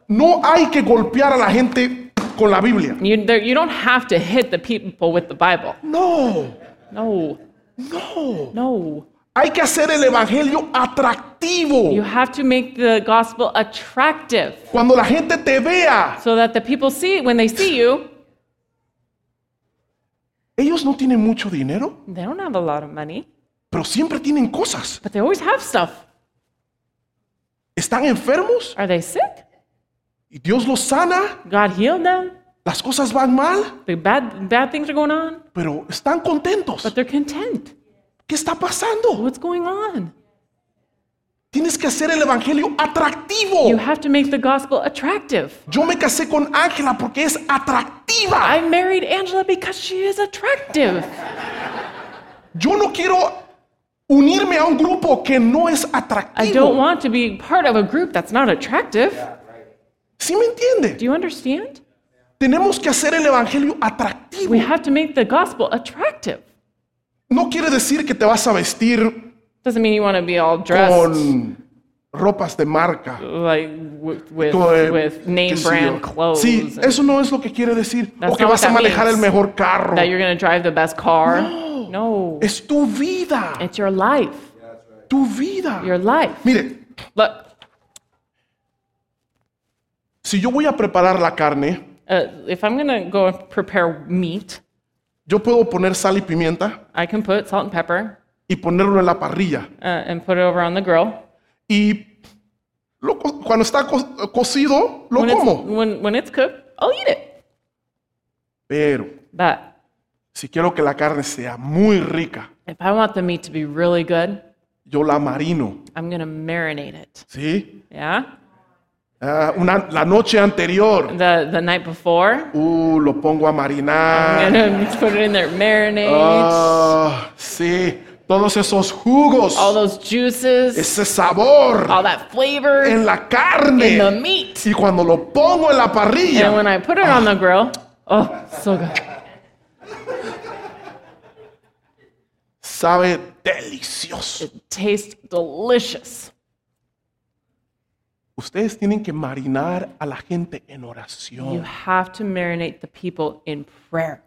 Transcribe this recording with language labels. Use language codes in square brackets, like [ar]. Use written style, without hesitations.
[es] no hay que golpear a la gente con la Biblia. [en] You don't have to hit the people with the Bible. [es] No. [en] No. [es] No. [en] No. [es] Hay que hacer el evangelio atractivo. [en] You have to make the gospel attractive. [es] Cuando la gente te vea. [en] So that the people see when they see you. [es] Ellos no tienen mucho dinero. [en] They don't have a lot of money. [es] Pero siempre tienen cosas. [en] But they always have stuff. [es] ¿Están enfermos? [en] Are they sick? [es] ¿Y Dios los sana? [en] God healed them. [es] ¿Las cosas van mal? [en] The bad things are going on. [es] Pero están contentos. [en] But they're content. [es] ¿Qué está pasando? [en] What's going on? [es] Tienes que hacer el evangelio atractivo. [en] You have to make the gospel attractive. [es] Yo me casé con Ángela porque es atractiva. [en] I married Angela because she is attractive. [es] Yo no quiero unirme a un grupo que no es atractivo. [en] I don't want to be part of a group that's not attractive. [es] ¿Sí me entiende? [en] Do you understand? [es] Tenemos que hacer el evangelio atractivo. [en] We have to make the gospel attractive. [es] No quiere decir que te vas a vestir [en] doesn't mean you want to be all dressed [es] con ropas de marca. [en] Like with name brand clothes. [es] Sí, eso no es lo que quiere decir. O que vas a manejar el mejor carro. [en] That you're going to drive the best car. [es] No. [en] No. [es] Es tu vida. [en] It's your life. [es] Tu vida. [en] Your life. [es] Mire. [en] Look. [es] Si yo voy a preparar la carne. [en] If I'm going to go prepare meat. [es] Yo puedo poner sal y pimienta. [en] I can put salt and pepper. [es] Y ponerlo en la parrilla. [en] And put it over on the grill. [es] Y cuando está cocido, lo [en] when [es] como. [en] When it's cooked, I'll eat it. [es] Pero. [en] But. [es] Si quiero que la carne sea muy rica. [en] If I want the meat to be really good. [es] Yo la marino. [en] I'm going to marinate it. [es] ¿Sí? [en] Yeah. [es] La noche anterior. [en] The night before. [es] Lo pongo a marinar. [en] I'm gonna put it in there, marinate. [es] Sí. Todos esos jugos. [en] All those juices. [es] Ese sabor. [en] All that flavor. [es] En la carne. [en] In the meat. [es] Y cuando lo pongo en la parrilla. [en] And when I put it on the grill. Oh, so good. [es] Sabe delicioso. [en] It tastes delicious. [es] Ustedes tienen que marinar a la gente en oración. [en] You have to marinate the people in prayer.